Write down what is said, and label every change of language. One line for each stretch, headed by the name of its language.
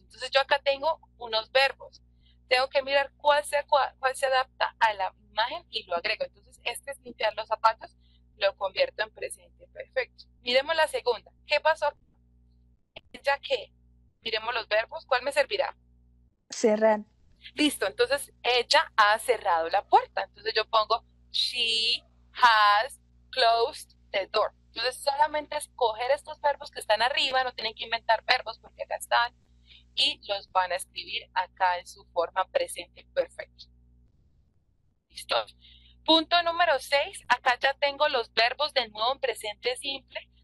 Spanish: Entonces yo acá tengo unos verbos. Tengo que mirar cuál se adapta a la imagen y lo agrego. Entonces este es limpiar los zapatos, lo convierto en presente perfecto. Miremos la segunda. ¿Qué pasó? ¿Ella qué? Miremos los verbos. ¿Cuál me servirá? Cerrar. Listo, entonces ella ha cerrado la puerta. Entonces yo pongo
English: she has closed the door.
Spanish: Entonces solamente escoger estos verbos que están arriba, no tienen que inventar verbos porque acá están, y los van a escribir acá en su forma presente perfecto. Listo. Punto número 6, acá ya tengo los verbos de nuevo en presente simple.